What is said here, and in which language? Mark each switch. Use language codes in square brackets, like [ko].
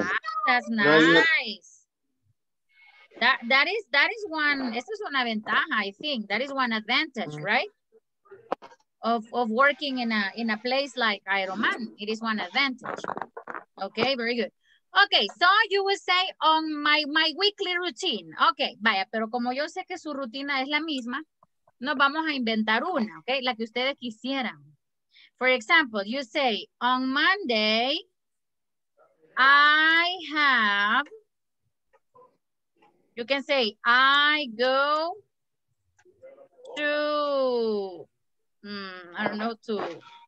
[en] Ah, that's nice. That is one, [es] esta es una ventaja, [en] I think. That is one advantage, right? Of working in a place like Aeroman. It is one advantage. Okay, very good. Okay, so you will say on my weekly routine. [es] Okay, vaya, pero como yo sé que su rutina es la misma, nos vamos a inventar una, okay? La que ustedes quisieran. [en] For example, you say, on Monday, I have, you can say, I go to, I don't know, to